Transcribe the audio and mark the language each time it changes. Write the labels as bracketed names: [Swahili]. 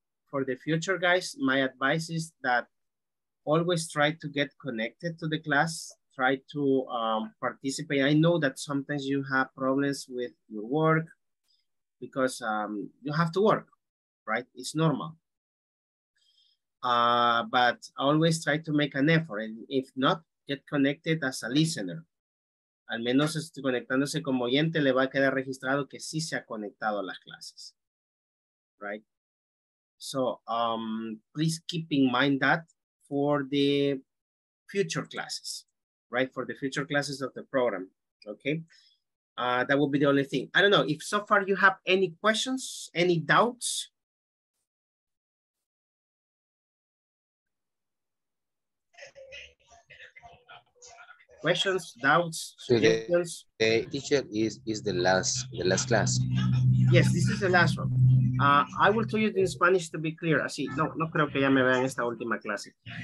[English] For the future, guys, my advice is that always try to get connected to the class, try to participate. I know that sometimes you have problems with your work because you have to work, right? It's normal. But always try to make an effort, and if not, get connected as a listener. [Spanish] Al menos conectándose como oyente le va a quedar registrado que sí se ha conectado a las clases, right? [English] So please keep in mind that for the future classes, right? For the future classes of the program, okay? That will be the only thing. I don't know if so far you have any questions, any doubts. Questions, doubts, suggestions. Teacher, is the last class? Yes, this is the last one. I will tell you in Spanish to be clear. [Spanish] Así, no creo que ya me vean esta última clase.